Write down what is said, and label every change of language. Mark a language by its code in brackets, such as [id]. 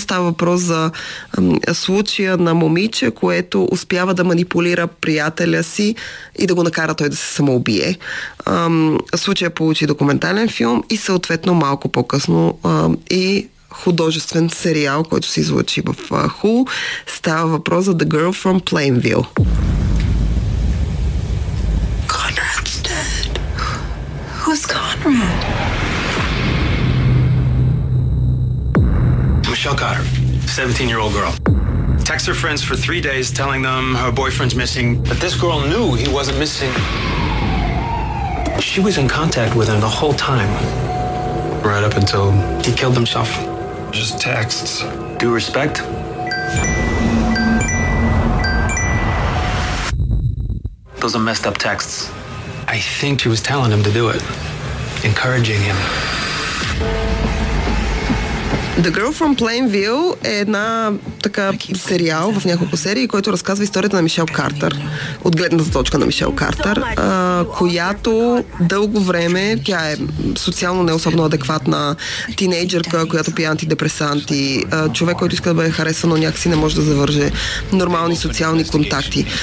[bg] Става въпрос за случая на момиче, което успява да манипулира приятеля си и да го накара той да се самоубие. Случая получи документален филм и съответно малко по-късно и художествен сериал, който се излъчи в Hulu. Става въпрос за The Girl from Plainville. [en] Conrad's dead. Who's Conrad? Michelle Cotter, 17-year-old girl. Texts her friends for 3 days telling them her boyfriend's missing. But this girl knew he wasn't missing. She was in contact with him the whole time. Right up until he killed himself. Just texts. Due respect. Those are messed up texts. I think she was telling him to do it. Encouraging him. [bg] The Girl from Plainville е една така сериал в няколко серии, който разказва историята на Мишел Картер. От гледната точка на Мишел Картер, която дълго време, тя е социално не особено адекватна тинейджерка, която пие антидепресанти, човек, който иска да бъде харесван, но някакси не може да завърже нормални социални контакти.